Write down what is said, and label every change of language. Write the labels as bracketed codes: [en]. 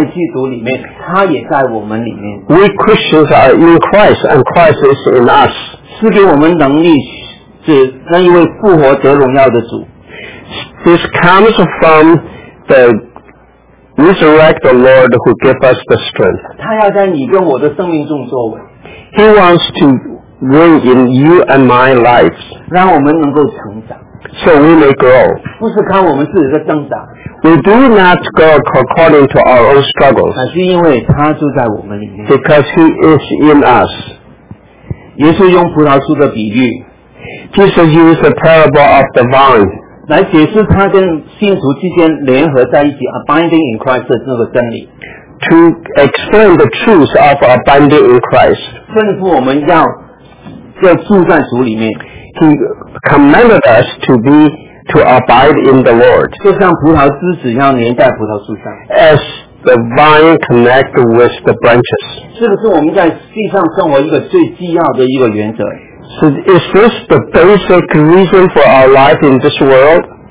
[zh] 我们这些基督徒是在基督里面，他也在我们里面。 [en] We Christians are in Christ and Christ is in us. [zh] 是给我们能力，是那一位复活得荣耀的主。 [en] This comes from the resurrected Lord who gave us the strength. [zh] 他要在你跟我的生命中作为。 [en] He wants to bring in you and my lives. [zh] 让我们能够成长。 [en] So we may grow. [zh] 不是看我们自己的增长。 [en] We do not go according to our own struggles. Because He is in us. [zh] 耶稣用葡萄树的比喻, [en] Jesus used the parable of the vine. [zh] 来解释他跟信徒之间联合在一起, [en] abiding in Christ [zh] 的那个真理。 [en] To explain the truth of abiding in Christ. [zh] 吩咐我们要住在主里面。 [en] He commanded us to be to abide in the Lord. [zh] 就像葡萄枝子要连在葡萄树上。 [en] As the vine connect with the branches. [zh] 是不是我们在地上生活一个最基要的一个原则？ [en] So is this the basic reason for our life in this world?